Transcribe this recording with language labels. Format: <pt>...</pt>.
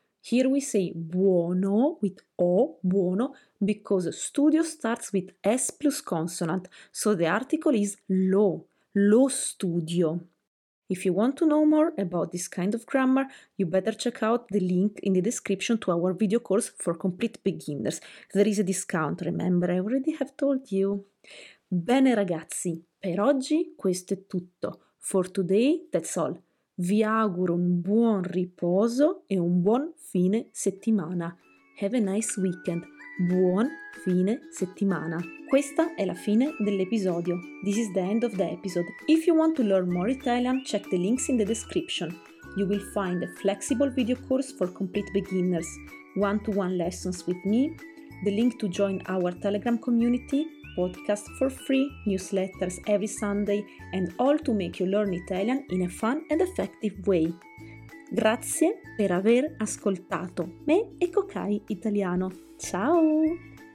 <en>Here we say buono with o, buono, because studio starts with s plus consonant. So the article is lo, lo studio. If you want to know more about this kind of grammar, you better check out the link in the description to our video course for complete beginners. There is a discount, remember, I already have told you.</en> <it>Bene ragazzi, per oggi questo è tutto.</it> <en>For today, that's all.</en> <it>Vi auguro un buon riposo e un buon fine settimana.</it> <en>Have a nice weekend.</en> <it>Buon fine settimana. Questa è la fine dell'episodio.</it> <en>This is the end of the episode. If you want to learn more Italian, check the links in the description. You will find a flexible video course for complete beginners, one-to-one lessons with me, the link to join our Telegram community, podcast for free, newsletters every Sunday, and all to make you learn Italian in a fun and effective way.</en> <it>Grazie per aver ascoltato me e Cocai Italiano. Ciao!</it>